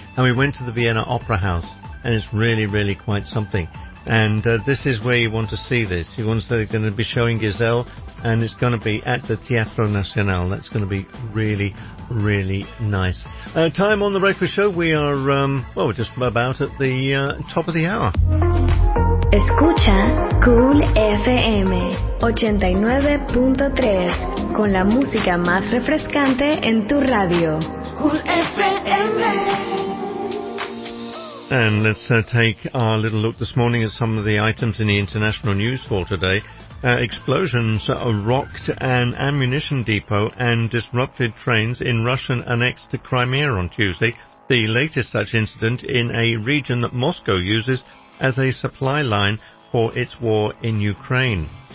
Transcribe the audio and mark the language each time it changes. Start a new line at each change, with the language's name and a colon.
English: And we went to the Vienna Opera House, and it's really, really quite something. And this is where you want to see this. You want to say they're going to be showing Giselle, and it's going to be at the Teatro Nacional. That's going to be really, really nice. Time on the Breakfast Show. We are, we're just about at the top of the hour.
Spanish: Escucha Cool FM 89.3 con la música más refrescante en tu radio. Cool FM.
English: And let's take our little look this morning at some of the items in the international news for today. Explosions rocked an ammunition depot and disrupted trains in Russian annexed to Crimea on Tuesday, the latest such incident in a region that Moscow uses as a supply line for its war in Ukraine.